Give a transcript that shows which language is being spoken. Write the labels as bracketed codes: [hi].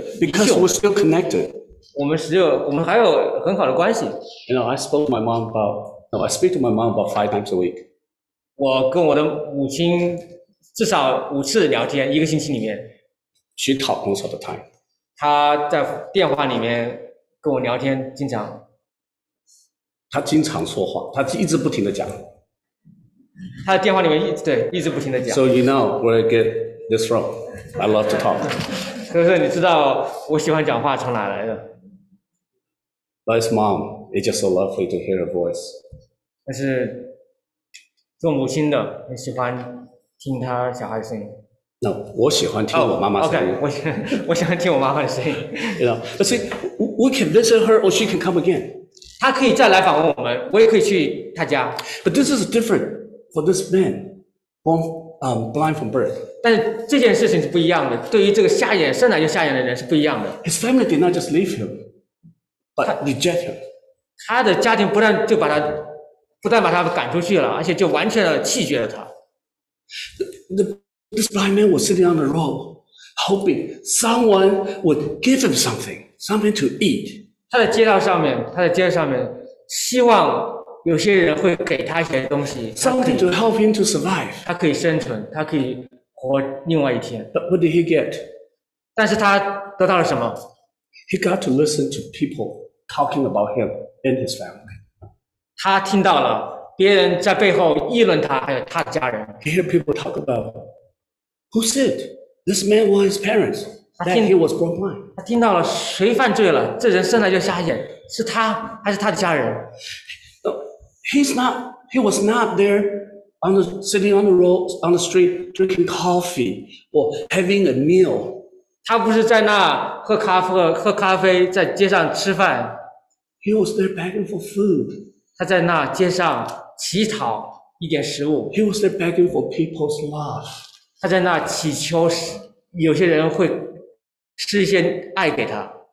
[en] Because we're still connected. [zh] 我们还有很好的关系。 [en] You know, I speak to my mom about 5 times a week. [zh] 我跟我的母亲至少5次聊天，一个星期里面。 [en] She talks most of the time. [zh] 他在电话里面跟我聊天，经常。他经常说话，他一直不停的讲。他的电话里面一直不停的讲。 [en] So you know where I get. That's wrong. I love to talk. [zh] 可是你知道我喜欢讲话从哪来的 [en] ？But his mom, it's just so lovely to hear her voice. [zh] 但是做母亲的很喜欢听她小孩的声音。 No, 我喜欢听我妈妈的声音。 Oh, OK, 我喜欢听我妈妈的声音。 [en] You know, but see, we can visit her or she can come again. [zh] 她可以再来访问我们，我也可以去她家。 [en] But this is different for this man, born blind from birth. [zh] 但是这件事情是不一样的，对于这个瞎眼生来就瞎眼的人是不一样的。 [en] His family did not just leave him, but reject him. [zh] 他的家庭不但把他赶出去了，而且就完全的弃绝了他。 [en] This blind man was sitting on the road, hoping someone would give him something to eat. [zh] 他在街上面，希望有些人会给他一些东西。 [en] Something to help him to survive. [zh] 他可以生存，他可以。活另外一天。 [en] But what did he get? [zh] 但是他得到了什么？ [en] He got to listen to people talking about him and his family. [zh] 他听到了别人在背后议论他还有他的家人。 [en] He heard people talk about who sinned. This man or his parents. That he was born blind. [zh] 他听到了谁犯罪了？这人生来就瞎眼，是他还是他的家人？ [en] He was not there. Sitting on the road, on the street, drinking coffee or having a meal. [zh] 他不是在那喝咖啡，在街上吃饭。 [en] He was there begging for food. [zh] 他在那街上乞讨一点食物。 [en] He was there begging for people's love. [zh] 他在那祈求有些人会施一些爱给他。